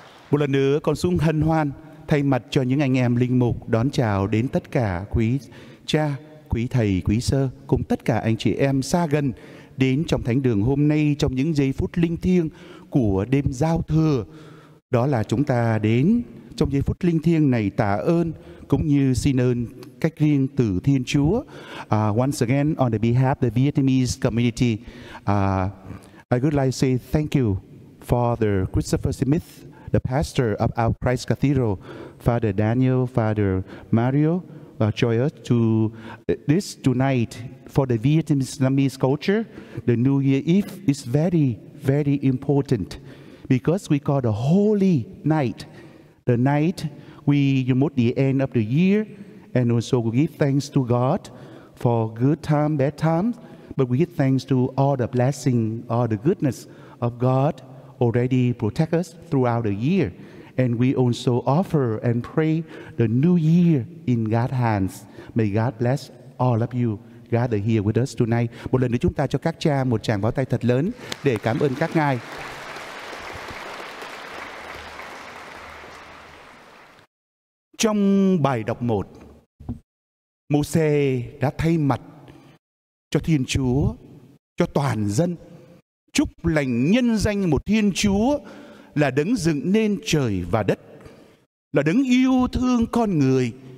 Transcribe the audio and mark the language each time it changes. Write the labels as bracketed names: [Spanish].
[Vietnamese] Một lần nữa, con xin hân hoan thay mặt cho những anh em linh mục đón chào đến tất cả quý cha, quý thầy, quý sơ, cùng tất cả anh chị em xa gần đến trong thánh đường hôm nay trong những giây phút linh thiêng của đêm giao thừa. Đó là chúng ta đến trong giây phút linh thiêng này tạ ơn cũng như xin ơn cách riêng từ Thiên Chúa. [English] Once again, on the behalf of the Vietnamese community, I would like to say thank you, Father Christopher Smith, the pastor of our Christ Cathedral, Father Daniel, Father Mario, join us to this tonight for the Vietnamese culture. The New Year Eve is very, very important. Because we call the holy night, the night we mark the end of the year, and also we give thanks to God for good time, bad time, but we give thanks to all the blessing, all the goodness of God already protect us throughout the year. And we also offer and pray the new year in God's hands. May God bless all of you gathered here with us tonight. [Vietnamese] Một lần nữa chúng ta cho các cha một tràng pháo tay thật lớn để cảm ơn các ngài. Trong bài đọc 1, Môsê đã thay mặt cho Thiên Chúa, cho toàn dân, chúc lành nhân danh một Thiên Chúa là đấng dựng nên trời và đất, là đấng yêu thương con người.